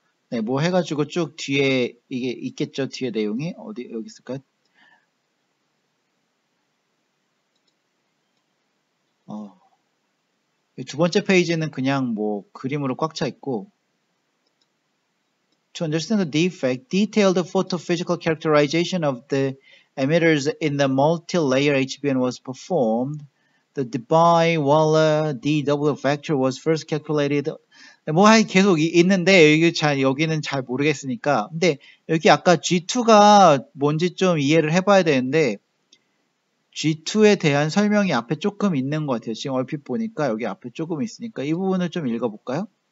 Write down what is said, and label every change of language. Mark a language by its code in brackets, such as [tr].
[ko] 네, 뭐 해가지고 쭉 뒤에, 이게 있겠죠? 뒤에 내용이? 어디, 여기 있을까요? 두 번째 페이지는 그냥 뭐 그림으로 꽉차 있고. [en] To understand the defect, detailed photophysical characterization of the emitters in the multi-layer HBN was performed. The Debye-Waller DW factor was first calculated. [ko] 뭐, 계속 있는데, 여기는 잘 모르겠으니까. 근데, 여기 아까 G2가 뭔지 좀 이해를 해봐야 되는데, G2에 대한 설명이 앞에 조금 있는 것 같아요. 지금 얼핏 보니까, 여기 앞에 조금 있으니까, 이 부분을 좀 읽어볼까요?